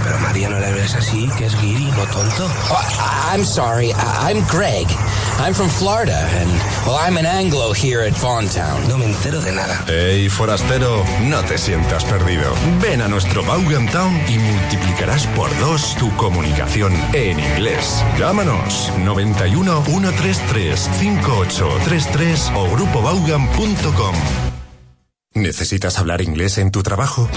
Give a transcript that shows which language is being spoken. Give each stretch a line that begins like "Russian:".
Spanish: Pero María, no le ves así, que es guiri, no tonto.
English: I'm sorry, I'm Greg. I'm from Florida, and, well, I'm an Anglo here at Vaughn Town.
Spanish: No me entero de nada. Hey, forastero, no te sientas perdido. Ven a nuestro Vaughan Town y multiplicarás por dos tu comunicación en inglés. Llámanos 91-133-5833 o grupovaughan.com. ¿Necesitas hablar inglés en tu trabajo?